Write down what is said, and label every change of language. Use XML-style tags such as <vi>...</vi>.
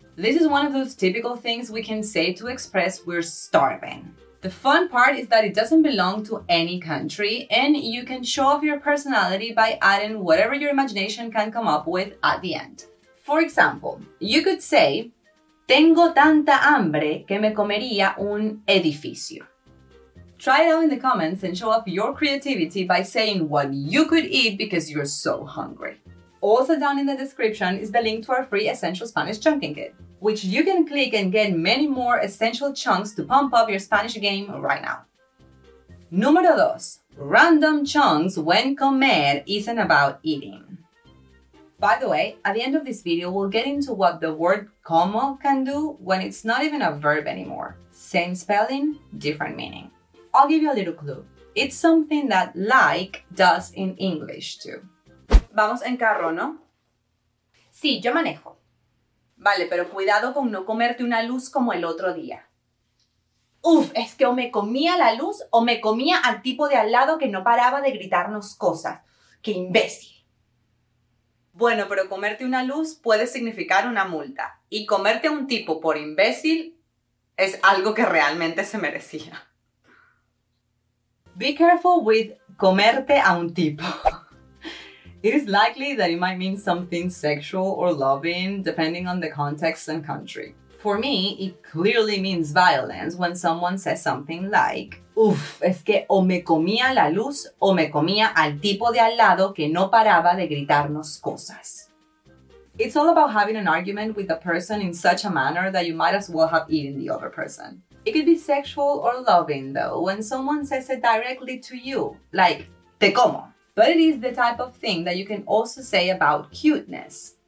<en>This is one of those typical things we can say to express we're starving. The fun part is that it doesn't belong to any country, and you can show off your personality by adding whatever your imagination can come up with at the end. For example, you could say,</en> <es>tengo tanta hambre que me comería un edificio.</es> <en>Try it out in the comments and show off your creativity by saying what you could eat because you're so hungry. Also down in the description is the link to our free Essential Spanish Chunking Kit, which you can click and get many more essential chunks to pump up your Spanish game right now.</en> <es>Número dos,</es> <en>random chunks when comer isn't about eating. By the way, at the end of this video, we'll get into what the word como can do when it's not even a verb anymore. Same spelling, different meaning. I'll give you a little clue. It's something that like does in English too.</en> <es>Vamos en carro, ¿no? Sí, yo manejo. Vale, pero cuidado con no comerte una luz como el otro día. Uf, es que o me comía la luz o me comía al tipo de al lado que no paraba de gritarnos cosas. ¡Qué imbécil! Bueno, pero comerte una luz puede significar una multa. Y comerte a un tipo por imbécil es algo que realmente se merecía.</es> <en>Be careful with</en> <es>comerte a un tipo.</es> <en>It is likely that it might mean something sexual or loving, depending on the context and country. For me, it clearly means violence when someone says something like,</en> <es>Uf, es que o me comía la luz o me comía al tipo de al lado que no paraba de gritarnos cosas.</es> <en>It's all about having an argument with a person in such a manner that you might as well have eaten the other person. It could be sexual or loving, though, when someone says it directly to you, like,</en> <es>te como.</es> <en>But it is the type of thing that you can also say about cuteness.</en>